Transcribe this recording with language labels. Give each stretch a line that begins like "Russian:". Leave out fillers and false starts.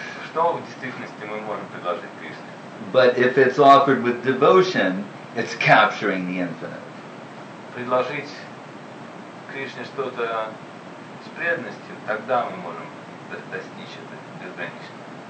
Russian: Что в действительности мы можем предложить Кришне?
English: But if it's offered with devotion, it's capturing the infinite.
Russian: Предложить Кришне что-то с преданностью, тогда мы можем достичь это безграничное.